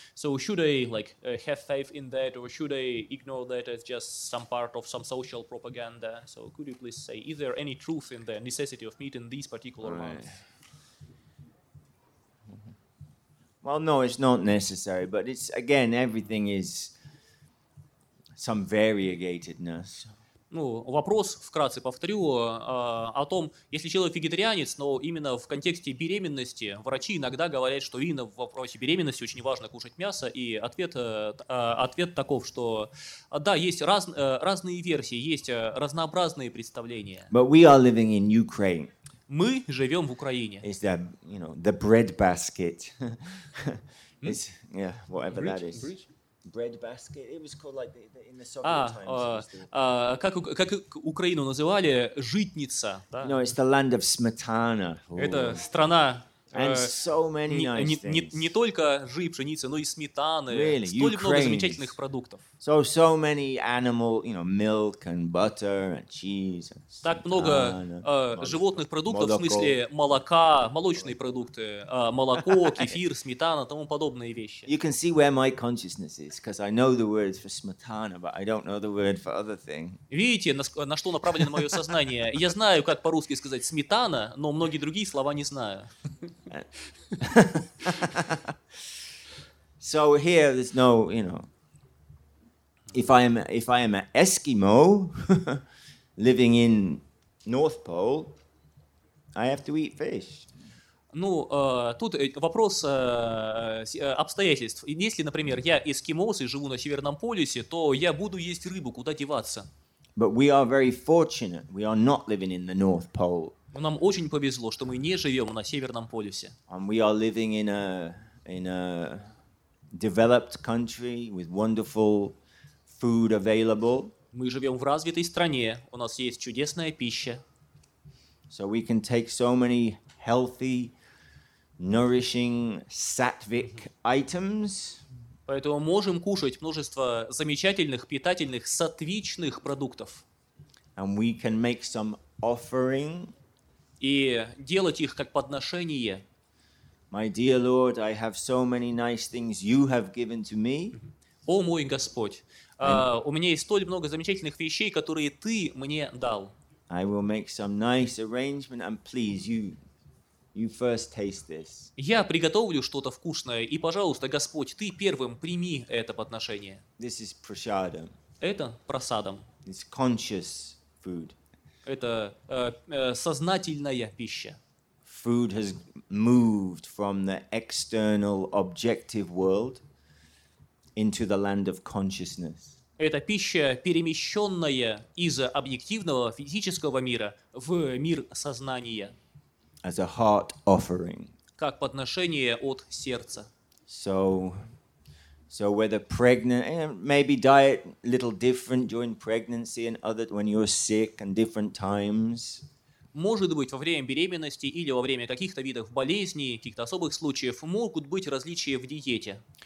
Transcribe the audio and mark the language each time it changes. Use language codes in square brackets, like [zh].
[en] So should I like have faith in that, or should I ignore that as just some part of some social propaganda? So could you please say, is there any truth in the necessity of meat in these particular months? Well, no, it's not necessary, but it's, again, everything is some variegatedness. [ru] Ну, вопрос, вкратце повторю, о том, если человек вегетарианец, но именно в контексте беременности, врачи иногда говорят, что именно в вопросе беременности очень важно кушать мясо, и ответ таков, что да, есть разные версии, есть разнообразные представления. [en] But we are living in Ukraine. [ru] Мы живем в Украине. [en] Is that, you know, the bread basket? It's, yeah, whatever bridge, that is. Bridge? Bread basket. It was called like the in the Soviet times. [ru] Как Украину называли? Житница. Да? [en] No, it's the land of smetana. [ru] Ooh. Это страна. [en] And so many nice things. [ru] Не только жи, пшеницы, но и сметаны. [en] Really? [ru] Столько много замечательных продуктов. [en] So many animal, you know, milk and butter and cheese. And [ru] так [en] and [ru] много животных продуктов, молоко. В смысле молока, молочные продукты, молоко, кефир, сметана, тому подобные вещи. [en] You can see where my consciousness is, because I know the word for smetana, but I don't know the word for other thing. [ru] Видите, на что направлено мое сознание? Я знаю, как по-русски сказать сметана, но многие другие слова не знаю. [en] So here there's no, you know, if I am an Eskimo living in North Pole, I have to eat fish. [ru] Ну, тут вопрос обстоятельств. Если, например, я эскимос и живу на Северном полюсе, то я буду есть рыбу, куда деваться? [en] But we are very fortunate. We are not living in the North Pole. [ru] Нам очень повезло, что мы не живем на Северном полюсе. [en] And we are living in a developed country with wonderful food available. [ru] Мы живем в развитой стране, у нас есть чудесная пища. [en] So we can take so many healthy, nourishing, sattvic items. [ru] Поэтому можем кушать множество замечательных, питательных, сатвичных продуктов. [en] And we can make some offering. [ru] И делать их как подношение. [en] My dear Lord, I have so many nice things you have given to me. [ru] О мой Господь, у меня есть столь много замечательных вещей, которые ты мне дал. [en] I will make some nice arrangement and please you first taste this. [ru] Я приготовлю что-то вкусное, и, пожалуйста, Господь, ты первым прими это подношение. [en] This is prasadam. [ru] Это прасадам. [en] It's conscious food. [ru] Это сознательная пища. [en] Food has moved from the external objective world into the land of consciousness. [ru] Это пища, перемещенная из объективного физического мира в мир сознания. [en] As a heart offering. [ru] Как подношение от сердца. [en] So whether pregnant, maybe diet a little different during pregnancy and other when you're sick and different times. [ru] Может быть, во время беременности или во время каких-то видов болезней, каких-то особых случаев, могут быть различия в диете.